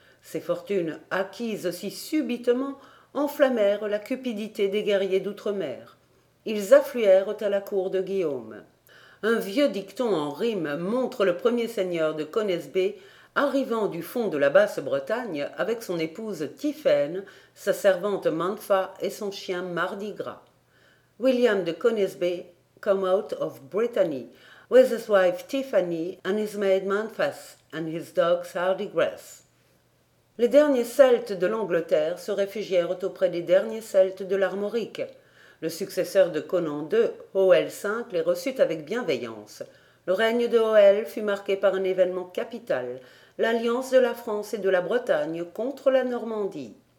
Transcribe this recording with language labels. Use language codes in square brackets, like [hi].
[fr] Ses fortunes, acquises si subitement, enflammèrent la cupidité des guerriers d'outre-mer. Ils affluèrent à la cour de Guillaume. Un vieux dicton en rime montre le premier seigneur de Conesbé arrivant du fond de la Basse-Bretagne avec son épouse Tiphaine, sa servante Mantfa et son chien Mardi Gras. [en] William de Conesbé, come out of Brittany, with his wife Tiffany and his maid Manfas and his dogs Hardigras. [fr] Les derniers Celtes de l'Angleterre se réfugièrent auprès des derniers Celtes de l'Armorique. Le successeur de Conon II, Hoël V, les reçut avec bienveillance. Le règne de Hoël fut marqué par un événement capital, l'alliance de la France et de la Bretagne contre la Normandie.